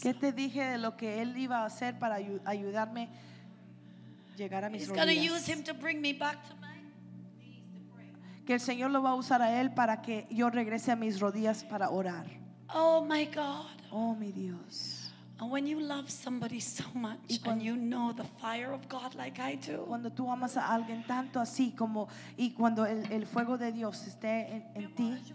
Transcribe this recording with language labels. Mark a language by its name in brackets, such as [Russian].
[Spanish] ¿Qué te dije de lo que él iba a hacer para ayudarme llegar a mis [English] He's [Spanish] rodillas? [English] He's going to use him to bring me back to my [Spanish] que el Señor lo va a usar a él para que yo regrese a mis rodillas para orar. [English] Oh my God. [Spanish] Oh mi Dios. [English] And when you love somebody so much and you know the fire of God like I do. [Spanish] Cuando tú amas a alguien tanto así como y cuando el fuego de Dios esté en ti.